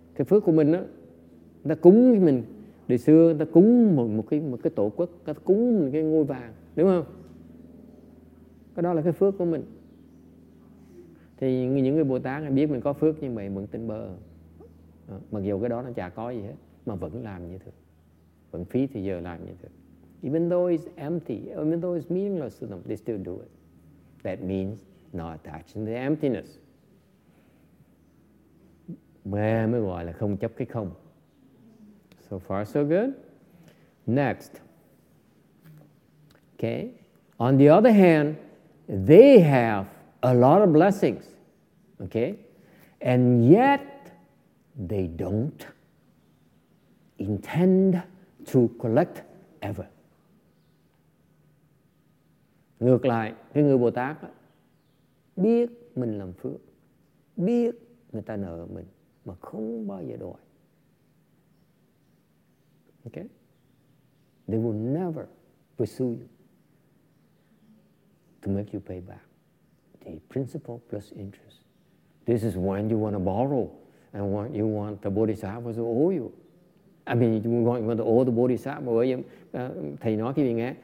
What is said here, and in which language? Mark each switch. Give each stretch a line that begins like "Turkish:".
Vietnamese: Cái phước của mình á, người ta cúng mình, đời xưa người ta cúng một cái tổ quốc, người ta cúng một cái ngôi vàng, đúng không? Cái đó là cái phước của mình. Thì những người Bồ Tát biết mình có phước như vậy vẫn tin bơ. Mặc dù cái đó nó chả có gì hết, mà vẫn làm như thường. Vẫn phí thì giờ làm như thường.
English: Even though it's empty, even though it's meaningless to them, they still do it. That means not attaching to the emptiness.
Vietnamese: Mới gọi là không chấp cái không.
English: So far so good. Next. Okay. On the other hand, they have a lot of blessings. Okay. And yet, they don't intend to collect ever.
Vietnamese: Ngược lại, cái người Bồ Tát biết mình làm phước, biết người ta nợ mình, mà không bao giờ đòi.
English: Okay? They will never pursue you to make you pay back the principal plus interest. This is when you want to borrow. And what you want the Bodhisattva to owe you. I mean, you want to owe the Bodhisattva. Thầy nói cái gì nghe?